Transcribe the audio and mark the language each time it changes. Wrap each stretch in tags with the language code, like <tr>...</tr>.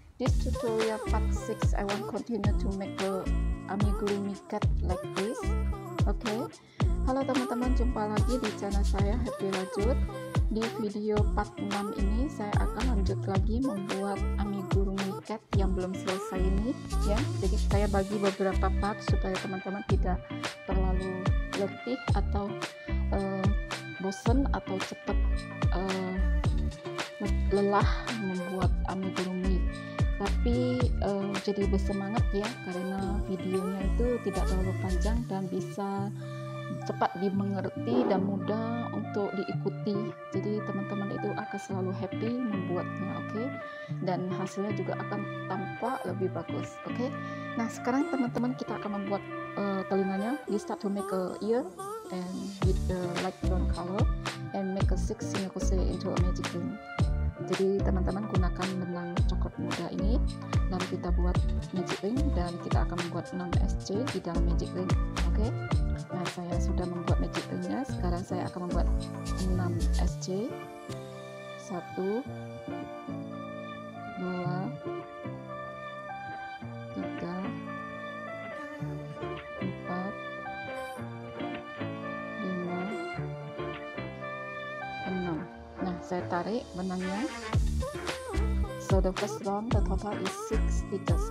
<en>This tutorial part 6, I want continue to make the amigurumi cat like this.</en> <id>Okay. Halo teman-teman, jumpa lagi di channel saya Happy Rajut. Di video part 6 ini saya akan lanjut lagi membuat amigurumi cat yang belum selesai ini ya. Jadi saya bagi beberapa part supaya teman-teman tidak terlalu letih atau bosen atau cepat lelah membuat amigurumi, tapi jadi bersemangat ya, karena videonya itu tidak terlalu panjang dan bisa cepat dimengerti dan mudah untuk diikuti. Jadi teman-teman itu akan selalu happy membuatnya, okay? Dan hasilnya juga akan tampak lebih bagus, okay? Nah sekarang teman-teman kita akan membuat telinganya.</id> <en>We start to make a ear and with the light brown color and make a six single into a magic ring.</en> <id>Jadi teman-teman gunakan benang coklat muda ini, dan kita buat magic ring, dan kita akan membuat 6 SC di dalam magic ring. Oke. Nah, saya sudah membuat magic ringnya. Sekarang saya akan membuat 6 SC. 1 2 3 4 5 6. Nah, saya tarik benangnya.</id> <en>So the first round, the total is 6 stitches.</en>